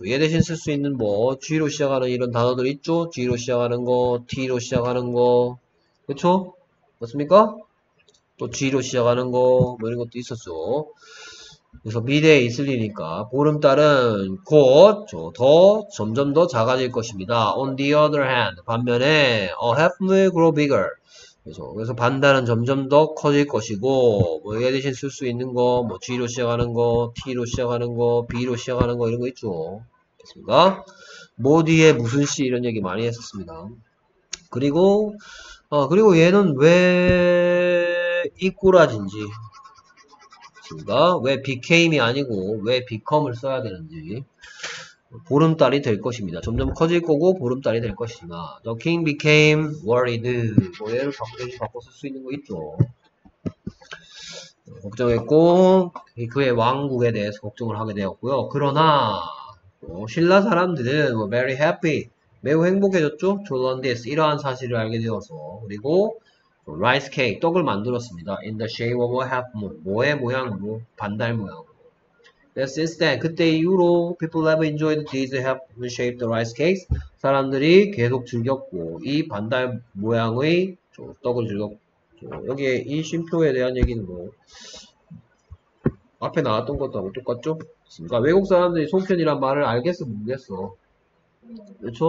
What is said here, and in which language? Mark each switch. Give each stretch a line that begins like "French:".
Korean: 얘 대신 쓸 수 있는 뭐 G로 시작하는 이런 단어들 있죠? G로 시작하는 거, T로 시작하는 거, 그쵸? 맞습니까? 또 G로 시작하는 거, 뭐 이런 것도 있었죠. 그래서 미래에 있을 일이니까 보름달은 곧 더 점점 더 작아질 것입니다.
English: On the other hand, 반면에 a half will grow bigger.
Korean: 그래서 반달은 점점 더 커질 것이고 뭐 얘 대신 쓸 수 있는 거 뭐 G로 시작하는 거 T로 시작하는 거 B로 시작하는 거 이런 거 있죠. 됐습니까? 뭐 뒤에 무슨 시 이런 얘기 많이 했었습니다. 그리고 그리고 얘는 왜 이 꼬라진지 됐습니까? 왜 became이 아니고 왜 become을 써야 되는지 보름달이 될 것입니다. 점점 커질 거고 보름달이 될 것이다.
English: The king became worried.
Korean: 뭐 얘를 바꿔 쓸 수 있는 거 있죠. 걱정했고 그의 왕국에 대해서 걱정을 하게 되었고요. 그러나 신라 사람들은
English: very happy.
Korean: 매우 행복해졌죠.
English: To learn this.
Korean: 이러한 사실을 알게 되어서 그리고 rice cake. 떡을 만들었습니다.
English: In the shape of a half moon.
Korean: 뭐의 모양으로? 반달 모양으로.
English: Since then,
Korean: 그때 이후로
English: people have enjoyed these half moon shaped rice cakes.
Korean: 사람들이 계속 즐겼고 이 반달 모양의 떡을 즐겼고 여기에 이 쉼표에 대한 얘기는 뭐 앞에 나왔던 것하고 똑같죠? 그러니까 외국 사람들이 송편이란 말을 알겠어 모르겠어. 그렇죠?